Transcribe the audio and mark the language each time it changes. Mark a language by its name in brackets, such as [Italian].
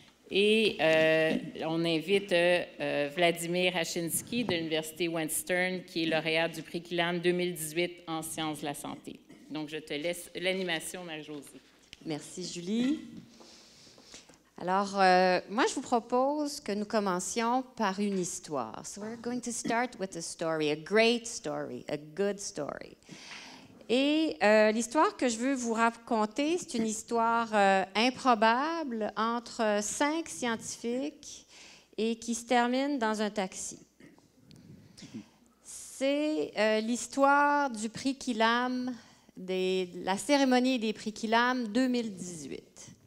[French] Et on invite Vladimir Hachinski de l'Université Western, qui est lauréat du prix Killam 2018 en sciences de la santé. Donc, je te laisse l'animation, Marie-Josée. Merci, Julie. Alors, moi, je vous propose que nous commencions par une histoire. [English] So we're going to start with a story, a great story, a good story. [French] Et l'histoire que je veux vous raconter, c'est une histoire improbable entre cinq scientifiques et qui se termine dans un taxi. C'est l'histoire du prix Killam, la cérémonie des prix Killam 2018.